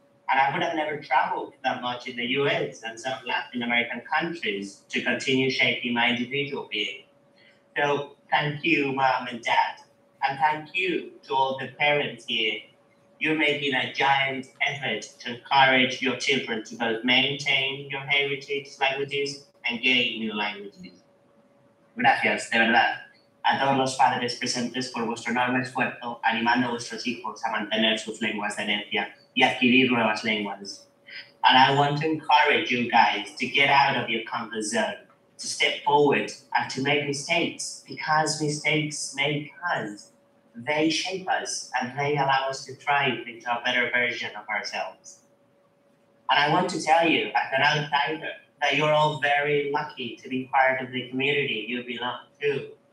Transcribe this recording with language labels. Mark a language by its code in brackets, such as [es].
[en] And I would have never traveled that much in the US and some Latin American countries to continue shaping my individual being. So thank you, Mom and Dad. And thank you to all the parents here. You're making a giant effort to encourage your children to both maintain your heritage languages and gain new languages. [es] Gracias, de verdad, a todos los padres presentes por vuestro enorme esfuerzo animando a vuestros hijos a mantener sus lenguas de herencia y adquirir nuevas lenguas. [en] And I want to encourage you guys to get out of your comfort zone, to step forward and to make mistakes, because mistakes make us. They shape us and they allow us to thrive into a better version of ourselves. And I want to tell you, as an outsider, that you're all very lucky to be part of the community you belong to.